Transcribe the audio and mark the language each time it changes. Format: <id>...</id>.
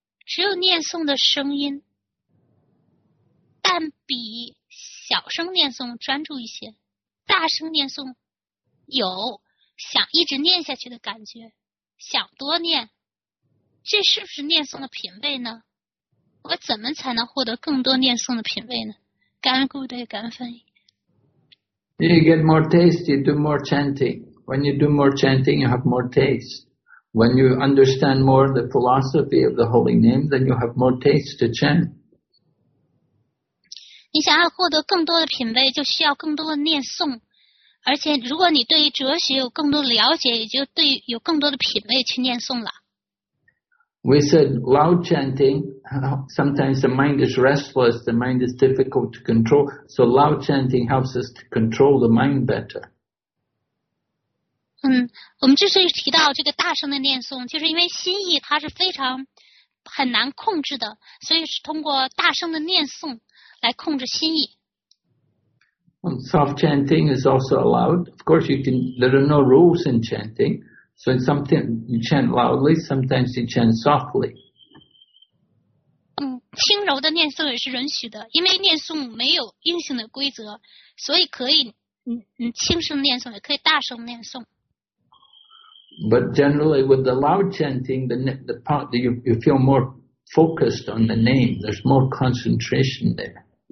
<zh>只有念诵的声音，但比小声念诵专注一些，大声念诵有想一直念下去的感觉，想多念，这是不是念诵的品味呢？我怎么才能获得更多念诵的品味呢？感恩 Gurudev， 感恩翻译。</zh> <en>You get more taste, you do more chanting. When you do more chanting, you have more taste. When you understand more the philosophy of the holy name, then you have more taste to chant.</en> <zh>你想要获得更多的品味，就需要更多的念诵，而且如果你对于哲学有更多的了解，也就对有更多的品味去念诵了。</zh> <en>We said loud chanting, sometimes the mind is restless, the mind is difficult to control, so loud chanting helps us to control the mind better.</en> <zh>我们之所以提到这个大声的念诵，就是因为心意它是非常很难控制的，所以是通过大声的念诵来控制心意。</zh> <en>Soft chanting is also allowed. Of course, there are no rules in chanting. So in something you chant loudly, sometimes you chant softly.</en> <zh>轻柔的念诵也是允许的，因为念诵没有硬性的规则，所以可以轻声念诵，也可以大声念诵。</zh> <en>But generally, with the loud chanting, the part that you feel more focused on the name, there's more concentration there.</en>